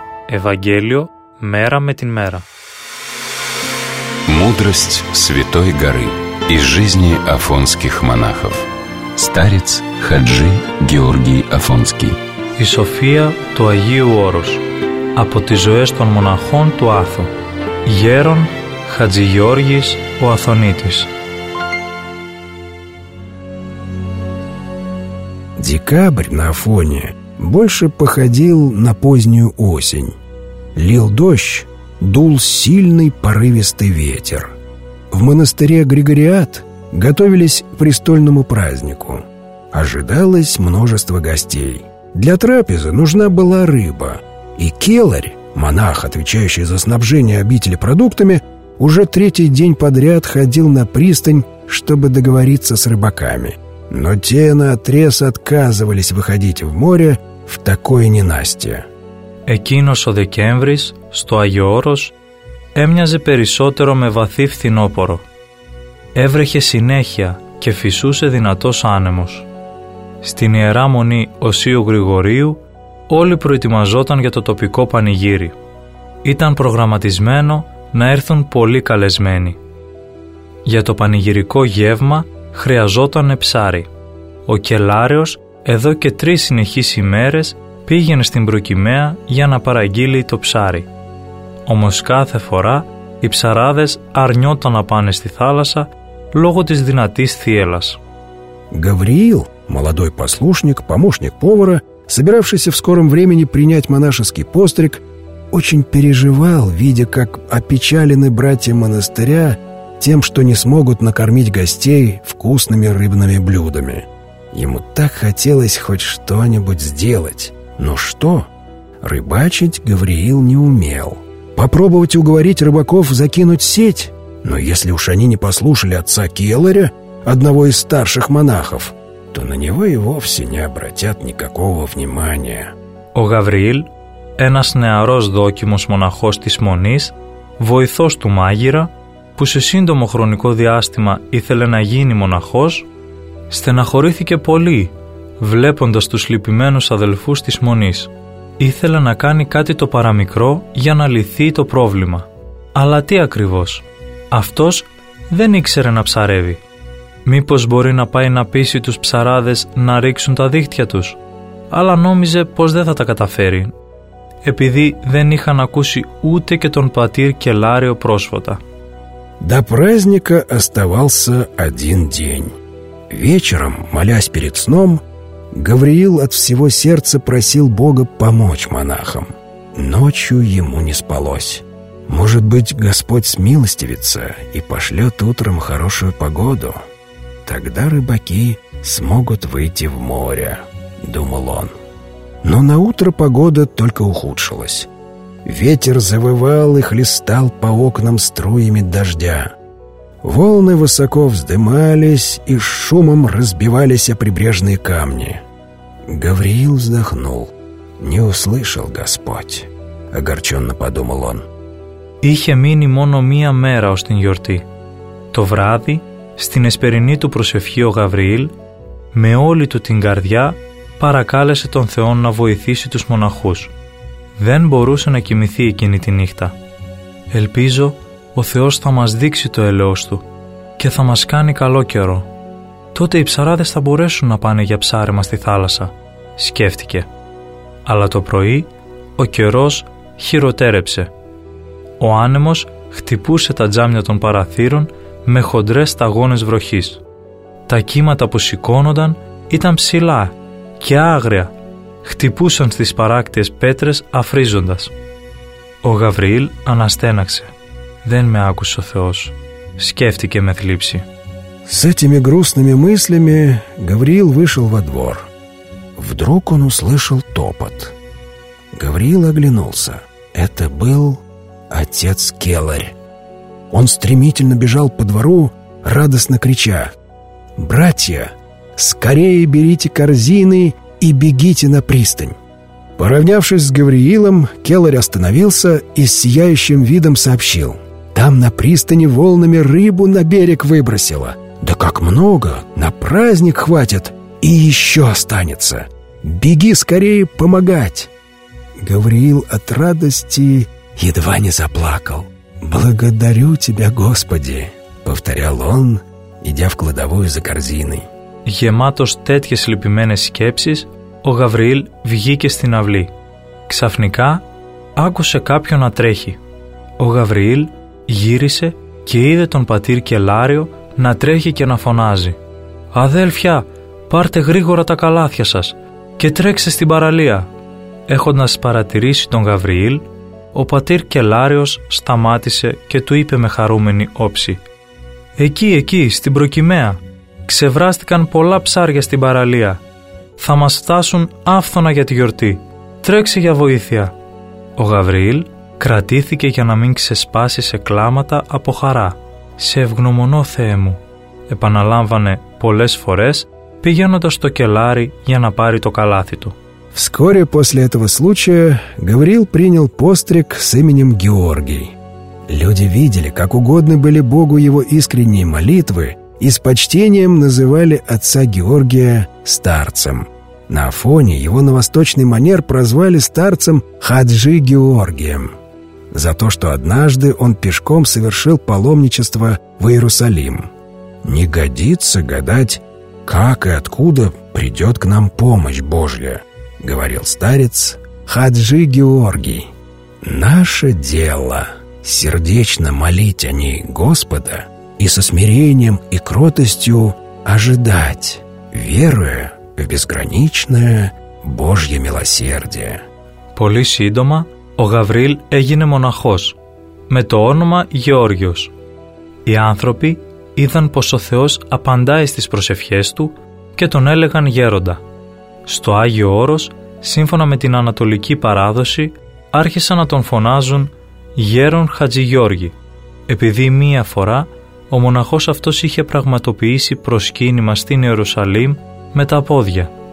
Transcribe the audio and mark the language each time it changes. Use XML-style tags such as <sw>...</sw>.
<ru>Евангелие мера</ru> <el>με την</el> <ru>мера. Мудрость Святой Горы из жизни афонских монахов. Старец Хаджи Георгий Афонский.</ru> <el>Η σοφία του Αγίου Όρους από τις ζωές των μοναχών του Άθου. Γέρον Χατζηγιώργης ο Αθωνίτης.</el> <ru>Декабрь на Афоне больше походил на позднюю осень. Лил дождь, дул сильный порывистый ветер. В монастыре Григориат готовились к престольному празднику. Ожидалось множество гостей. Для трапезы нужна была рыба, и келарь, монах, отвечающий за снабжение обители продуктами, уже третий день подряд ходил на пристань, чтобы договориться с рыбаками. Но те наотрез отказывались выходить в море в такое ненастье.</ru> <el>Экинос ο Декембрис, στο Άγιο Όρος, έμοιαζε περισσότερο με βαθύ φθινόπωρο. Έβρεχε συνέχεια και φυσούσε δυνατός άνεμος. Στην Ιερά Μονή Οσίου Γρηγορίου όλοι προετοιμαζόταν για το τοπικό πανηγύρι. Ήταν προγραμματισμένο να έρθουν πολλοί καλεσμένοι. Για το πανηγυρικό γεύμα χρειαζόταν ψάρι. Ο κελάριος εδώ και τρεις συνεχείς ημέρες πήγαινε στην προκυμαία για να παραγγείλει το ψάρι. Όμως κάθε φορά οι ψαράδες αρνιόταν να πάνε στη θάλασσα λόγω της δυνατής θύελας.</el> <ru>Γαβριήλ, молодой послушник, помощник повара, собиравшийся в скором времени принять монашеский постриг, очень переживал, видя, как опечалены братья монастыря тем, что не смогут накормить гостей вкусными рыбными блюдами. Ему так хотелось хоть что-нибудь сделать. Но что? Рыбачить Гавриил не умел. Попробовать уговорить рыбаков закинуть сеть? Но если уж они не послушали отца Келаря, одного из старших монахов, то на него и вовсе не обратят никакого внимания.</ru> <el>Ο Γαβριήλ, ένας νεαρός δόκιμος μοναχός της Μονής, βοηθός του μάγειρα, που σε σύντομο χρονικό διάστημα ήθελε να γίνει μοναχός, στεναχωρήθηκε πολύ, βλέποντας τους λυπημένους αδελφούς της Μονής. Ήθελε να κάνει κάτι το παραμικρό για να λυθεί το πρόβλημα. Αλλά τι ακριβώς? Αυτός δεν ήξερε να ψαρεύει. Μήπως μπορεί να πάει να πείσει τους ψαράδες να ρίξουν τα δίχτυα τους? Αλλά νόμιζε πως δεν θα τα καταφέρει, επειδή δεν είχαν ακούσει ούτε και τον πατήρ Κελάριο πρόσφατα.</el> <ru>До праздника оставался один день. Вечером, молясь перед сном, Гавриил от всего сердца просил Бога помочь монахам. Ночью ему не спалось. Может быть, Господь смилостивится и пошлет утром хорошую погоду. Тогда рыбаки смогут выйти в море, думал он. Но на утро погода только ухудшилась. Ветер завывал и хлестал по окнам струями дождя. Волны высоко вздымались и шумом разбивались о прибрежные камни. Гавриил вздохнул. Не услышал Господь, огорченно подумал он.</ru> <el>είχε μείνει μόνο μία μέρα ως την γιορτή. Το βράδυ, στην εσπερινή του προσευχή ο Γαβριήλ, με όλη του την καρδιά, παρακάλεσε τον Θεό να βοηθήσει τους μοναχούς. Δεν μπορούσε να κοιμηθεί εκείνη τη νύχτα. «Ελπίζω ο Θεός θα μας δείξει το ελαιός του και θα μας κάνει καλό καιρό. Τότε οι ψαράδες θα μπορέσουν να πάνε για ψάρεμα στη θάλασσα», σκέφτηκε. Αλλά το πρωί ο καιρός χειροτέρεψε. Ο άνεμος χτυπούσε τα τζάμια των παραθύρων με χοντρές σταγόνες βροχής. Τα κύματα που σηκώνονταν ήταν ψηλά και άγρια, χτυπούσαν στις παράκτιες πέτρες αφρίζοντας. Ο Γαβριήλ αναστέναξε. «Δεν με άκουσε ο Θεός», σκέφτηκε με θλίψη.</el> <ru>С этими грустными мыслями Гавриил вышел во двор. Вдруг он услышал топот. Гавриил оглянулся. Это был отец Келарь. Он стремительно бежал по двору, радостно крича: «Братья, скорее берите корзины и бегите на пристань!» Поравнявшись с Гавриилом, Келарь остановился и с сияющим видом сообщил: «Там на пристани волнами рыбу на берег выбросило. Да как много! На праздник хватит, и еще останется! Беги скорее помогать!» Гавриил от радости едва не заплакал. «Благодарю тебя, Господи!» — повторял он, идя в кладовую за корзиной.</ru> <el>Γεμάτος τέτοιες λυπημένες σκέψεις, ο Γαβριήλ βγήκε στην αυλή. Ξαφνικά άκουσε κάποιον να τρέχει. Ο Γαβριήλ γύρισε και είδε τον πατήρ Κελάριο να τρέχει και να φωνάζει: «Αδέλφια, πάρτε γρήγορα τα καλάθια σας και τρέξτε στην παραλία!» Έχοντας παρατηρήσει τον Γαβριήλ, ο πατήρ Κελάριος σταμάτησε και του είπε με χαρούμενη όψη: «Εκεί, εκεί, στην προκυμαία, ξεβράστηκαν πολλά ψάρια στην παραλία. Θα μας φτάσουν άφθονα για τη γιορτή. Τρέξε για βοήθεια!» Ο Γαβριήλ κρατήθηκε για να μην ξεσπάσει σε κλάματα από χαρά. «Σε ευγνωμονώ, Θεέ μου», επαναλάμβανε πολλές φορές, πηγαίνοντας στο κελάρι για να πάρει το καλάθι του.</el> <ru>Вскоре после этого случая Гавриил принял постриг с именем Георгий. Люди видели, как угодны были Богу его искренние молитвы и с почтением называли отца Георгия старцем. На Афоне его на восточный манер прозвали старцем Хаджи Георгием за то, что однажды он пешком совершил паломничество в Иерусалим. Не годится гадать, как и откуда придет к нам помощь Божья, говорил старец Хаджи Георгий. Наше дело — сердечно молить о ней Господа и со смирением и кротостью ожидать, веруя в безграничное Божье милосердие.</ru> <el>Πολύ σύντομα ο Γαβριήλ έγινε μοναχός με το όνομα Γεώργιος. Οι άνθρωποι είδαν πως ο Θεός απαντάει στις προσευχές του και τον έλεγαν γέροντα. Στο Άγιο Όρος, σύμφωνα με την ανατολική παράδοση, άρχισαν να τον φωνάζουν Γέρον Χατζηγιώργη, επειδή μία φορά ο μοναχός αυτός είχε πραγματοποιήσει προσκύνημα στην Ιερουσαλήμ με τα πόδια.</el>